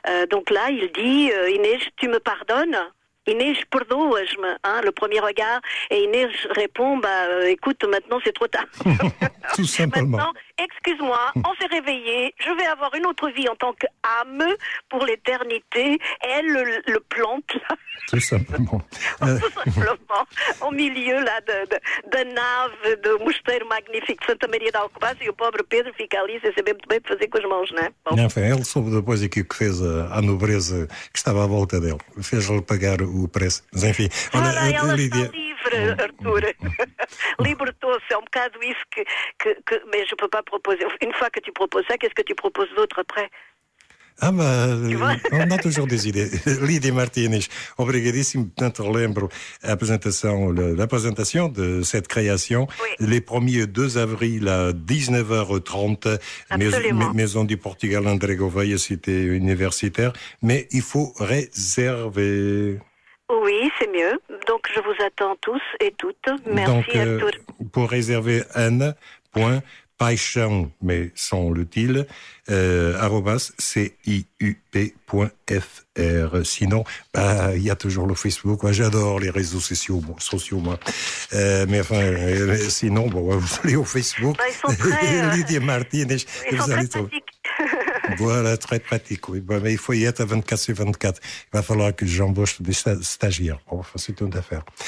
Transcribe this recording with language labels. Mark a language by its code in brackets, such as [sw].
[fr] Donc là, il dit, Inés, tu me pardonnes? [pt] Inés, perdoe-me, [fr] hein, le premier regard. Et Inés répond, écoute, maintenant c'est trop tard. Tout simplement. Maintenant, excuse-moi, on s'est réveillé, je vais avoir une autre vie en tant qu'âme pour l'éternité. Elle le plante là. Tout simplement. Tout simplement, au milieu là, de nave, de mosteiro magnifique, Santa Maria da Alcobaça, et le pauvre Pedro [pt] fica ali, sem saber muito bem fazer com as mãos, né? Bom. [fr] Enfin, elle [pt] soube depois aquilo que fez a nobreza que estava à volta dela. Fez-lhe pagar o preço. Mas enfim, Lídia. Arthur, libertou-se, é um bocado isso que mas [fr] je peux pas proposer. Une fois que tu proposes ça, qu'est-ce que tu proposes d'autre après? Ah, mas on a toujours des idées. Lídia Martínez, obrigadíssimo. [pt] Portanto, lembro [fr] l'apresentation de cette création, oui. Les premiers 2 avril à 19h30, Maison du Portugal André Gouveia, cité universitaire. Mais il faut réserver. Oui, c'est mieux. Donc, je vous attends tous et toutes. Merci, Arthur. Pour réserver Anne. paixão, mais sans le tilde, @ciup.fr. Sinon, bah, y a toujours le Facebook. Moi, j'adore les réseaux sociaux, moi. Mais enfin, sinon, bon, vous allez au Facebook. Bah, ils sont très, Lydia Martinez. Ils sont très pratiques. Voilà, très pratique. Oui. Bon, mais il faut y être à 24 sur 24. Il va falloir que j'embauche des stagiaires. Bon, enfin, c'est une affaire.